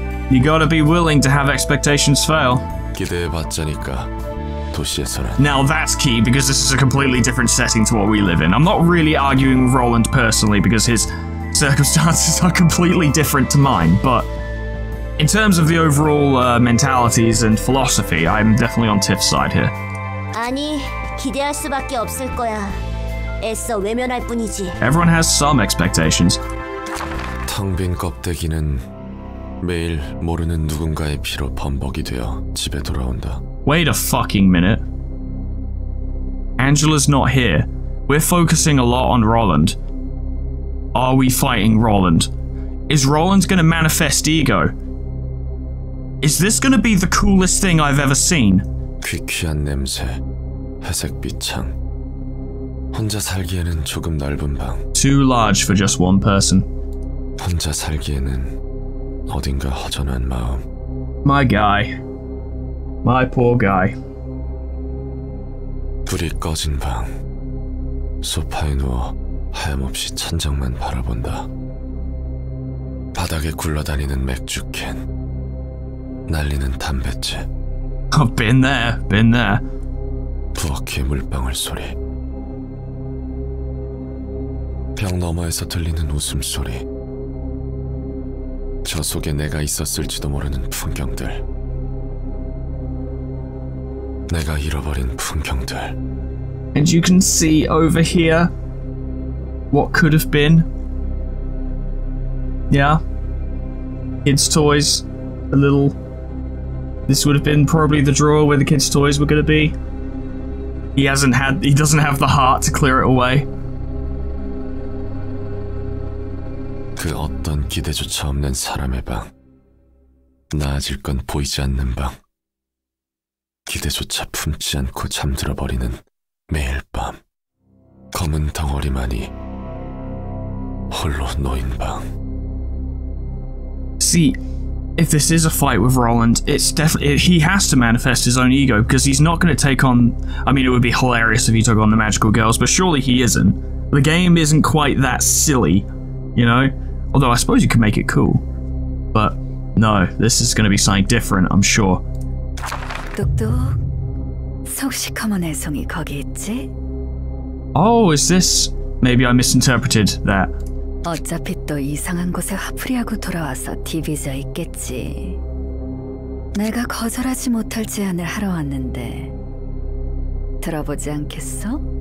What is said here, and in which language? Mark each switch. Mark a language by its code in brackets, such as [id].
[en] You gotta be willing to have expectations fail. [ko] 기대해봤자니까, 도시에서는. [en] Now that's key, because this is a completely different setting to what we live in. I'm not really arguing with Roland personally, because his circumstances are completely different to mine, but in terms of the overall mentalities and philosophy, I'm definitely on Tiff's side here. [ko] 아니, 기대할 수밖에 없을 거야. 애써 외면할 뿐이지. [en] Everyone has some expectations. [ko] 텅 빈 껍데기는 매일 모르는 누군가의 피로 범벅이 되어 집에 돌아온다. [en] Wait a fucking minute. Angela's not here. We're focusing a lot on Roland. Are we fighting Roland? Is Roland gonna manifest ego? Is this gonna be the coolest thing I've ever seen? [ko] 귀귀한 냄새. 회색빛 창. 혼자 살기에는 조금 넓은 방. [en] Too large for just one person. [ko] 혼자 살기에는 어딘가 허전한 마음. [en] My guy. My poor guy. [ko] 불이 꺼진 방. 소파에 누워 하염없이 천장만 바라본다. 바닥에 굴러다니는 맥주 캔. 날리는 담뱃재. [en] I've been there. Been there. [ko] 부엌의 물방울 소리. 벽 너머에서 들리는 웃음소리. 저 속에 내가 있었을지도 모르는 풍경들. 내가 잃어버린 풍경들. [en] And you can see over here what could have been. Yeah. Kids' toys. A little. This would have been probably the drawer where the kids' toys were gonna be. He doesn't have the heart to clear it away. [ko] 그 어떤 기대조차 없는 사람의 방. 나아질 건 보이지 않는 방. 기대조차 품지 않고 잠들어 버리는 매일 밤. 검은 덩어리만이 홀로 놓인 방. [en] See, if this is a fight with Roland, it's definitely, he has to manifest his own ego, because he's not going to take on, I mean, it would be hilarious if he took on the magical girls, but surely he isn't. The game isn't quite that silly, you know? Although I suppose you could make it cool. But no, this is going to be something different, I'm sure. [ko] 똑똑. 성시커먼 애송이 거기 있지? [en] Oh, is this? Maybe I misinterpreted that. [ko] 어차피 또 이상한 곳에 화풀이하고 돌아와서 디비져 있겠지. 내가 거절하지 못할 제안을 하러 왔는데 들어보지 않겠어?